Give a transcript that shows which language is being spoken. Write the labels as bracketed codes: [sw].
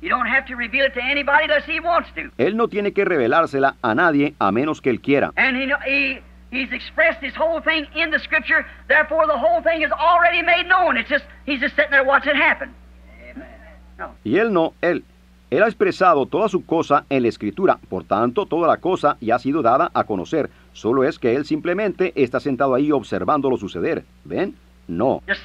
[en] You don't have to reveal it to anybody unless he wants to. [es] Él no tiene que revelársela a nadie a menos que él quiera. [en] And he's expressed this whole thing in the scripture. Therefore, the whole thing is already made known. It's just, he's just sitting there watching it happen. Amen. [es] No. Y él no, él. Él ha expresado toda su cosa en la Escritura, por tanto, toda la cosa ya ha sido dada a conocer. Solo es que él simplemente está sentado ahí observándolo suceder. ¿Ven? No.